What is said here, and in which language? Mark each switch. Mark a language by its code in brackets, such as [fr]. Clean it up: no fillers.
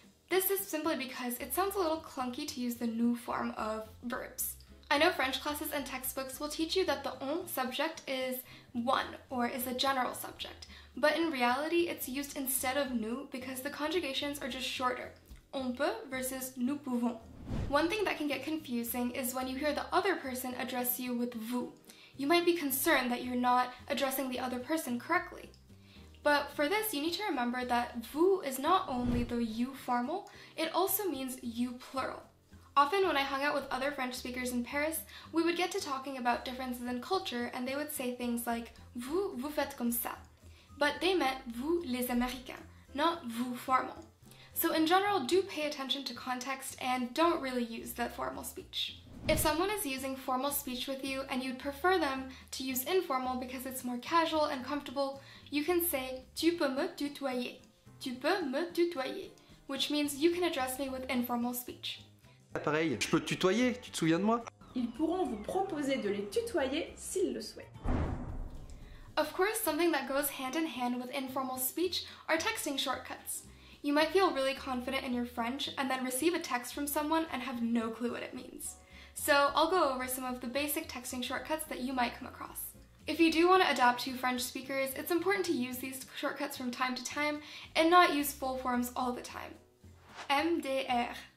[en] This is simply because it sounds a little clunky to use the nous form of verbs. I know French classes and textbooks will teach you that the on subject is one or is a general subject, but in reality it's used instead of nous because the conjugations are just shorter. [fr] On peut versus nous pouvons. [en] One thing that can get confusing is when you hear the other person address you with vous. You might be concerned that you're not addressing the other person correctly. But for this, you need to remember that vous is not only the you formal, it also means you plural. Often when I hung out with other French speakers in Paris, we would get to talking about differences in culture and they would say things like [fr] vous, vous faites comme ça. [en] But they meant [fr] vous les Américains, [en] not vous formal. So in general, do pay attention to context and don't really use the formal speech. If someone is using formal speech with you and you'd prefer them to use informal because it's more casual and comfortable, you can say [fr] tu peux me tutoyer. Tu peux me tutoyer, [en] which means you can address me with informal speech. [fr] Pareil, je peux te tutoyer, tu te souviens de moi? Ils pourront vous proposer de les tutoyer s'ils le souhaitent. [en] Of course, something that goes hand in hand with informal speech are texting shortcuts. You might feel really confident in your French and then receive a text from someone and have no clue what it means. So I'll go over some of the basic texting shortcuts that you might come across. If you do want to adapt to French speakers, it's important to use these shortcuts from time to time and not use full forms all the time. MDR.